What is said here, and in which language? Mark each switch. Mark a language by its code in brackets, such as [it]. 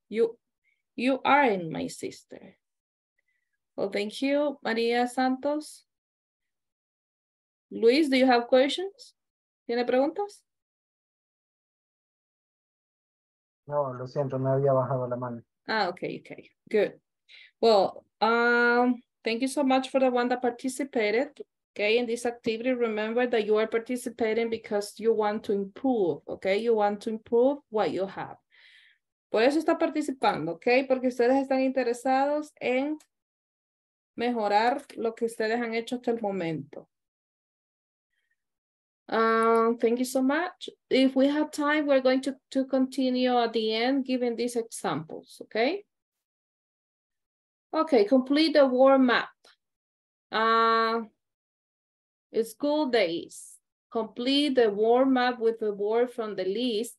[en] You aren't my sister. Well, thank you, Maria Santos. Luis, do you have questions? [es] ¿Tiene preguntas? No, lo siento, me había bajado la mano. [en] Ah, okay, good. Well, thank you so much for the one that participated. Okay, in this activity, remember that you are participating because you want to improve, okay? You want to improve what you have. [es] Por eso está participando, [en] okay? [es] Porque ustedes están interesados en mejorar lo que ustedes han hecho hasta el momento. [en] Thank you so much. If we have time, we're going to continue at the end giving these examples, okay? Okay, complete the word map. School days, complete the warm up with the word from the list.